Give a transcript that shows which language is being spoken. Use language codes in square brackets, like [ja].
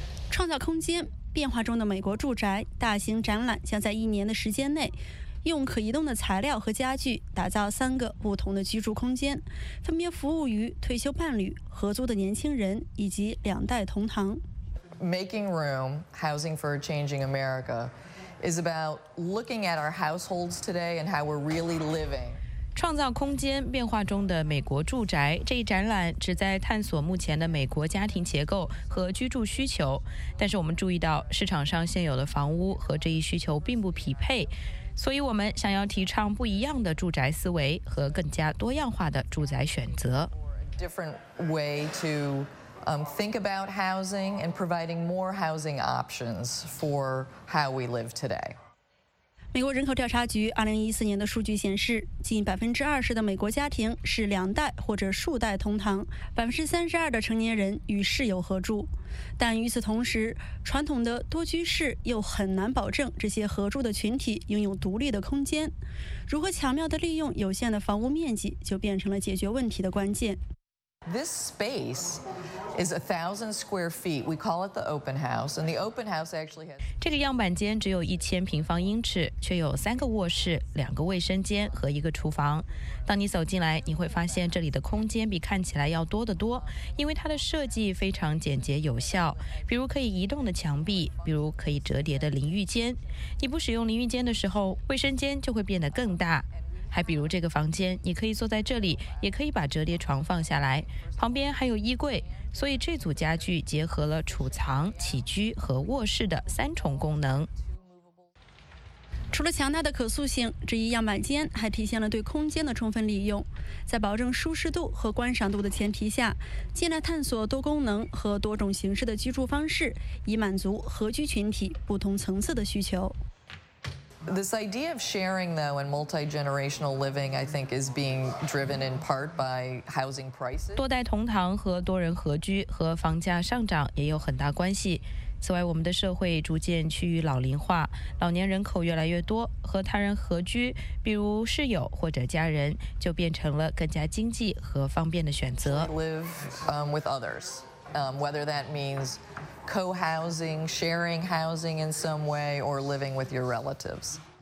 [zh] 创造空间变化中的美国住宅大型展览将在一年的时间内用可移动的材料和家具打造3个不同的居住空间，分别服务于退休伴侣、合租的年轻人以及两代同堂。 [en] Making room, housing for a changing America is about looking at our households today and how we're really living. [zh] 创造空间变化中的美国住宅这一展览旨在探索目前的美国家庭结构和居住需求，但是我们注意到市场上现有的房屋和这一需求并不匹配，所以我们想要提倡不一样的住宅思维和更加多样化的住宅选择。 [en] Different way to think about housing and providing more housing options for how we live today. [zh] 美国人口调查局2014年的数据显示，近20%的美国家庭是两代或者数代同堂，32%的成年人与室友合住。但与此同时，传统的多居室又很难保证这些合住的群体拥有独立的空间。如何巧妙地利用有限的房屋面积，就变成了解决问题的关键。 [en] This space is 1,000 square feet. We call it the open house, and the open house actually has. [zh] 这个样板间只有1000平方英尺，却有3个卧室、2个卫生间和1个厨房。当你走进来，你会发现这里的空间比看起来要多得多，因为它的设计非常简洁有效。比如可以移动的墙壁，比如可以折叠的淋浴间。你不使用淋浴间的时候，卫生间就会变得更大。还比如这个房间，你可以坐在这里，也可以把折叠床放下来，旁边还有衣柜，所以这组家具结合了储藏、起居和卧室的3重功能。除了强大的可塑性，这一样板间还体现了对空间的充分利用。在保证舒适度和观赏度的前提下，进来探索多功能和多种形式的居住方式，以满足合居群体不同层次的需求。 [en] This idea of sharing, though, and multi-generational living, I think, is being driven in part by housing prices. [zh] 多代同堂和多人合居和房价上涨也有很大关系。此外，我们的社会逐渐趋于老龄化，老年人口越来越多，和他人合居，比如室友或者家人，就变成了更加经济和方便的选择。 [en] Live with others, whether that means. Co-housing, sharing housing in some way, or living with your relatives.